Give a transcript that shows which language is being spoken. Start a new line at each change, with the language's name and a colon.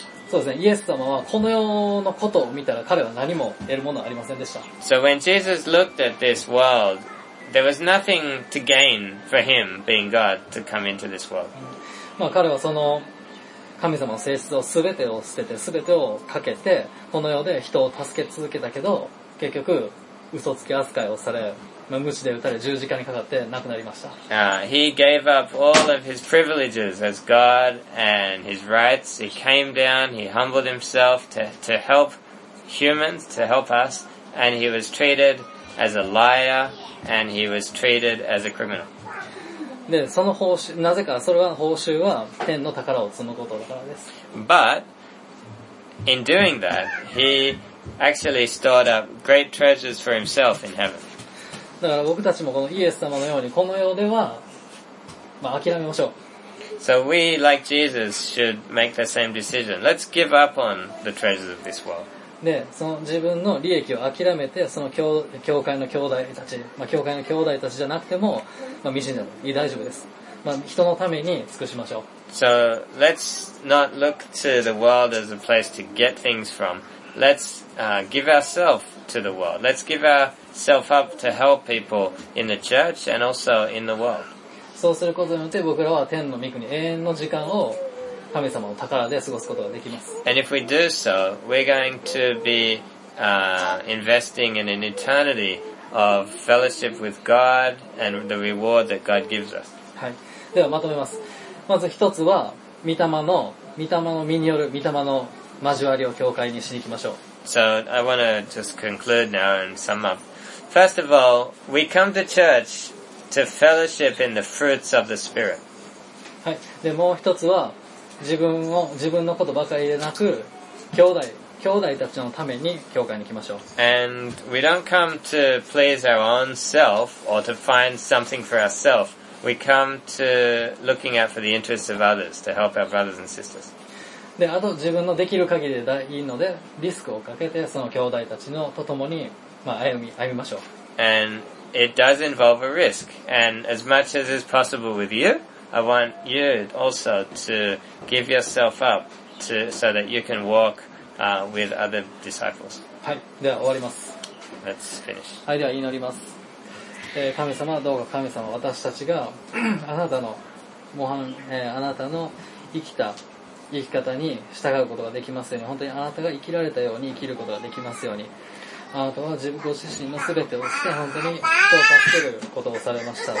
Japanese: そうですね。イエス様はこの世のことを見たら彼は何も得るものはありませんでした。
English: So when Jesus looked at this world, there was nothing to gain for him being God to come into this world.
Japanese: まあ彼はその神様の性質を全てを捨てて全てをかけてこの世で人を助け続けたけど結局嘘つき扱いをされ、まあ、鞭で打たれ十字架にかかって亡くなりました。
English: He gave up all of his privileges as God and his rights. He came down, he humbled himself to help humans, to help us, and he was treated as a liar and he was treated as a criminal.
Japanese: でその報酬なぜかそれは報酬は天の宝を積むことだからです。
English: But in doing that, he actually stored up great treasures for himself in heaven.
Japanese: だから僕たちもこのイエス様のようにこの世では、まあ、諦めましょう。
English: So we like Jesus should make the same decision. Let's give up on the treasures of this world.
Japanese: でその自分の利益を諦めてその 教会の兄弟たち、まあ、教会の兄弟たちじゃなくても。まあ、未信でもいい大丈夫です、まあ、人のために尽くしましょう。
English: So let's not look to the world as a place to get things from. Let's、give ourselves to the world. Let's give ourselves up to help people in the church and also in the world.
Japanese: そうすることによって僕らは天の御国永遠の時間を神様の宝で過ごすことができます。
English: And if we do so, we're going to be、investing in an eternityof fellowship with God and the reward that God gives us.
Japanese: はい。ではまとめます。まず一つは御霊の身による御霊の交わりを教会にしに行きましょう。
English: So I want to just conclude now and sum up. First of all, we come to church to fellowship in the fruits of the Spirit.
Japanese: はい。でもう一つは自分のことばかりでなく兄弟たちのために教会に来ましょう。
English: And we don't come to please our own self or to find something for ourselves. We come to looking out for the interests of others to help our brothers and sisters.
Japanese: で、あと自分のできる限りでいいのでリスクをかけてその兄弟たちのと共に、まあ、歩みましょう。
English: And it does involve a risk. And as much as is possible with you, I want you also to give yourself up to, so that you can walkwith other disciples.
Japanese: はい、では終わります。
English: Let's finish.
Japanese: はい、では祈ります。神様、どうか神様、私たちがあなたの模範、あなたの生き方に従うことができますように、本当にあなたが生きられたように生きることができますように、あなたは自分ご自身のすべてをして本当に人を助けることをされました。